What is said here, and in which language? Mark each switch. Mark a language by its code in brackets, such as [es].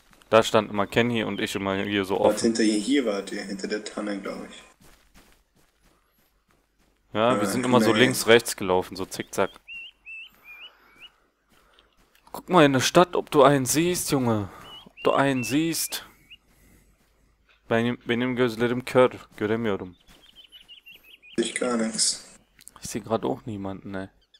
[de] Da stand immer Kenny und ich immer hier so Wart offen. hinter ihr hier wart ihr, hinter der Tanne, glaube ich. Ja, wir sind immer so Immerhin. links, rechts gelaufen, so zickzack. Guck mal in der Stadt, ob du einen siehst, Junge. Ob du einen siehst. [tr] Benim gözlerim kör, göremiyorum. [de] Ich gar nichts. Ich sehe gerade auch niemanden, ne?